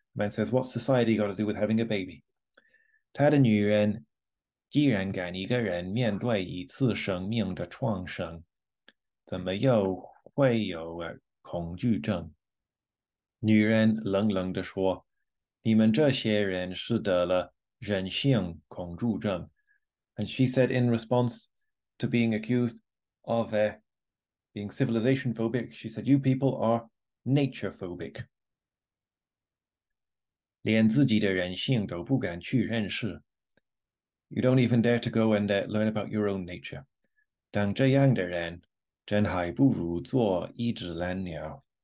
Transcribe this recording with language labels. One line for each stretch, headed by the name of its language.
English: The man says, what's society got to do with having a baby?
Chinese: 他的女人既然敢一个人面对一次生命的创生, 怎么又会有恐惧症? 女人冷冷地说, 你们这些人是得了人性恐惧症。
English: And she said in response to being accused of being civilization phobic, she said, you people are nature phobic.
Chinese: 连自己的人性都不敢去认识。
English: You don't even dare to go and learn about your own nature.
Chinese: 当这样的人真还不如做一只蓝鸟。